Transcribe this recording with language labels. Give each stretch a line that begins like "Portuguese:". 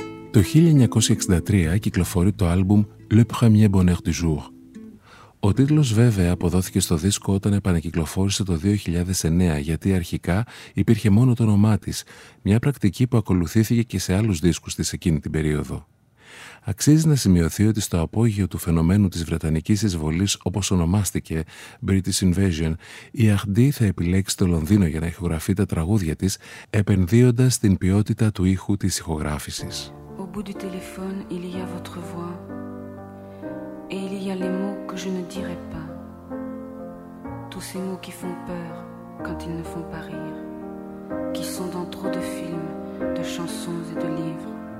Greek: Το 1963 κυκλοφορεί το άλμπουμ «Le premier bonheur du jour». Ο τίτλος βέβαια αποδόθηκε στο δίσκο όταν επανακυκλοφόρησε το 2009, γιατί αρχικά υπήρχε μόνο το όνομά της, μια πρακτική που ακολουθήθηκε και σε άλλους δίσκους της εκείνη την περίοδο. Αξίζει να σημειωθεί ότι στο απόγειο του φαινομένου της Βρετανικής εισβολής, όπως ονομάστηκε British Invasion, η Αχντή θα επιλέξει το Λονδίνο για να ηχογραφεί τα τραγούδια της, επενδύοντας την ποιότητα του ήχου της ηχογράφησης.
French: Au bout du téléphone, il y a votre voix. Et il y a les mots que je ne dirai pas. Tous ces mots qui font peur quand ils ne font pas rire. Qui sont dans trop de films, de chansons et de livres.